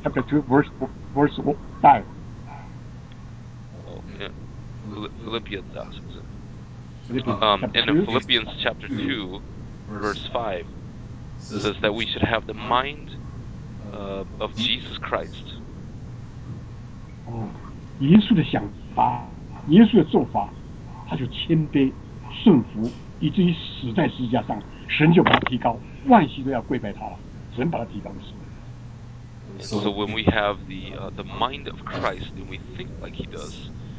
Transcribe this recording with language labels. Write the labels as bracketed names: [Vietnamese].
[English] Chapter 2, chapter 2 verse 5. Oh, yeah. Philippians, that's it. And in Philippians chapter 2 verse 5 says that we should have the mind of Jesus Christ. [Chinese] 哦，耶稣的想法，耶稣的做法，他就谦卑顺服，以至于死在十字架上，神就把他提高，万膝都要跪拜他了，神把他提高的时候。 [English] So when we have the mind of Christ, then we think like He does.